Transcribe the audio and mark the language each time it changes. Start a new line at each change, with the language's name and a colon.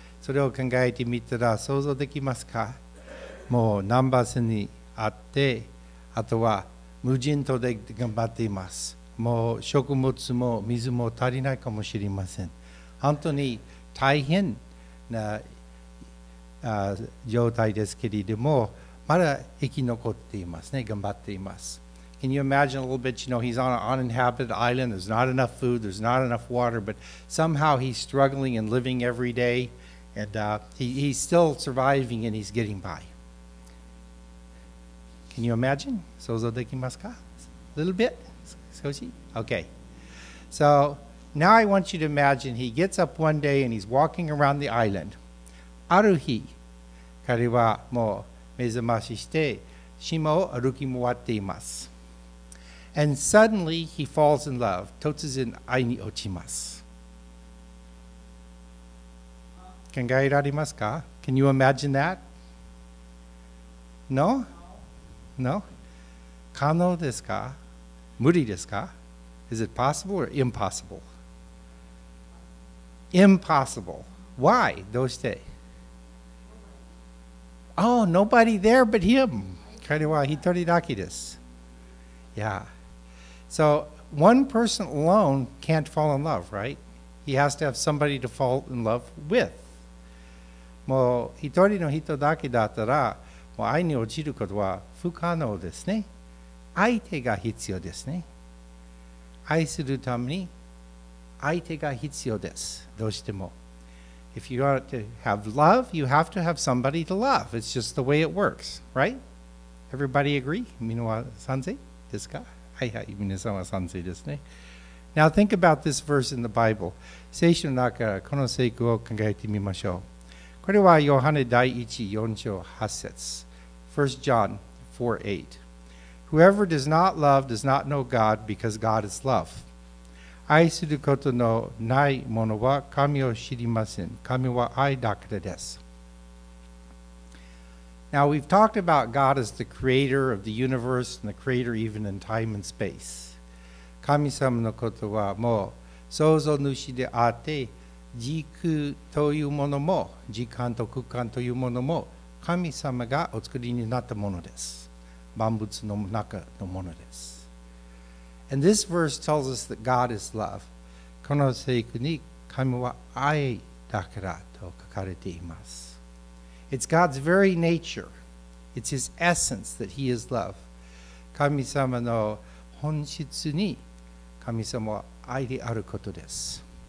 Japanese: それを考えてみたら想像できますか？もう南波線にあって、あとは無人島で頑張っています。もう食物も水も足りないかもしれません。本当に大変な状態ですけれども、まだ生き残っていますね。頑張っています。
English: Can you imagine a little bit, you know, he's on an uninhabited island, there's not enough food, there's not enough water, but somehow he's struggling and living every day, and he's still surviving and he's getting by. Can you imagine?
Japanese: 想像できますか?
English: A little bit?
Japanese: 少し?
English: Okay. So now I want you to imagine he gets up one day and he's walking around the island.
Japanese: ある日、彼はもう目覚ましして島を歩き回っています。
English: And suddenly he falls in love.
Japanese: 突然愛に落ちます。考えられますか?
English: Can you imagine that? No? No?
Japanese: 可能ですか?無理ですか?
English: Is it possible or impossible? Impossible. Why?
Japanese: どうして?
English: Oh, nobody there but him.
Japanese: 彼は一人だけです。
English: Yeah. So one person alone can't fall in love, right? He has to have somebody to fall in love with.
Japanese: もう一人の人だけだったら、もう愛に落ちることは不可能ですね。相手が必要ですね。愛するために相手が必要です。どうしても。
English: If you want to have love, you have to have somebody to love. It's just the way it works, right? Everybody agree?
Japanese: みんな賛成ですか? はいはい、皆さんは賛成ですね。
English: Now think about this verse in the Bible.
Japanese: 聖書の中からこの聖句を考えてみましょう。これはヨハネ第一四章八節。
English: 1 John 4:8. Whoever does not love does not know God because God is love.
Japanese: 愛することのないものは神を知りません。神は愛だからです。
English: Now, we've talked about God as the creator of the universe and the creator even in time and space.
Japanese: 神様のことはもう創造主であって、時空というものも、時間と空間というものも神様がお作りになったものです。万物の中のものです。
English: And this verse tells us that God is love.
Japanese: この聖句に神は愛だからと書かれています。
English: It's God's very nature. It's His essence that He is love.
Japanese: 神様の本質に神様は愛であることです。